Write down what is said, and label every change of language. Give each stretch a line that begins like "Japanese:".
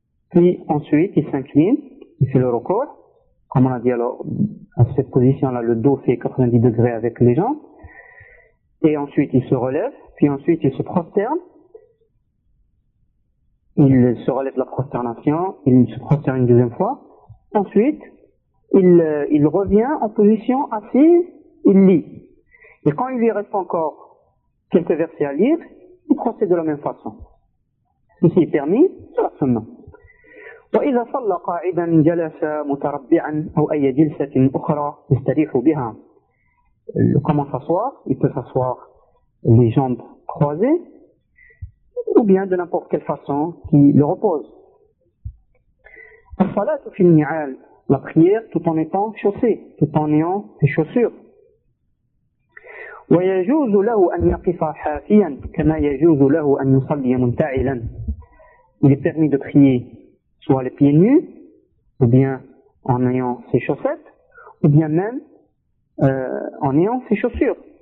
French: puis ensuite il s'incline, il fait le recours, comme on a dit alors, à cette position-là, le dos fait 90 degrés avec les jambes, et ensuite il se relève, puis ensuite il se prosterne, il se relève de la prosternation, il se prosterne une deuxième fois, ensuite il revient en position assise. Il lit. Et quand il lui reste encore quelques versets à lire, il procède de la même façon. Ceci est permis, c'est la sunna.
Arabic: وإذا صلى قاعدا جلس متربعا أو أي جلسة أخرى يستريح بها.
French: Comment s'asseoir? Il peut s'asseoir les jambes croisées, ou bien de n'importe quelle façon qui le repose.
Arabic: الصلاة في النعال,
French: la prière tout en étant chaussée, tout en ayant ses chaussures.
Arabic: ويجوز له أن يقف حافيا كما يجوز له أن يصلي منتعلا.
French: Il est permis de prier soit les pieds nus, ou bien en ayant ses chaussettes, ou bien même en ayant ses chaussures.